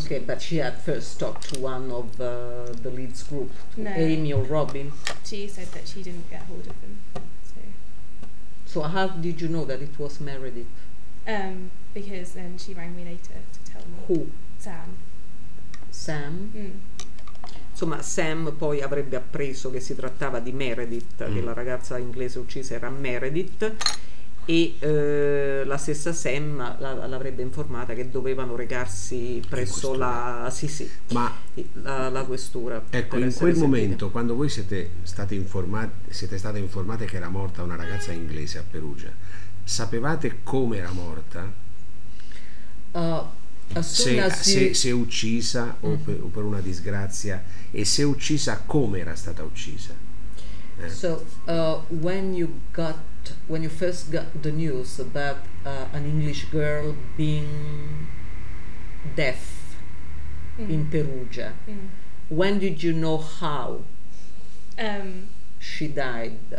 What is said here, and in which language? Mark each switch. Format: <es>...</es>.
<en>Okay, but she had first talked to one of the Leeds group, no, Amy or Robin. She said that she didn't get hold of them. So how did you know that it was Meredith? Because then she rang me later to tell me. Who? Sam. Sam? Mm.</en> <it>Insomma, Sam poi avrebbe appreso che si trattava di Meredith, mm. che la ragazza inglese uccisa era Meredith. E la stessa Sam l'avrebbe informata che dovevano recarsi presso la sì sì ma la questura ecco in quel momento quando voi siete state informate che era morta una ragazza inglese a Perugia sapevate come era morta se uccisa o per una disgrazia, e se uccisa come era stata uccisa.</it> <en>So when you first got the news about an English girl being deaf in Perugia, when did you know how she died?</en>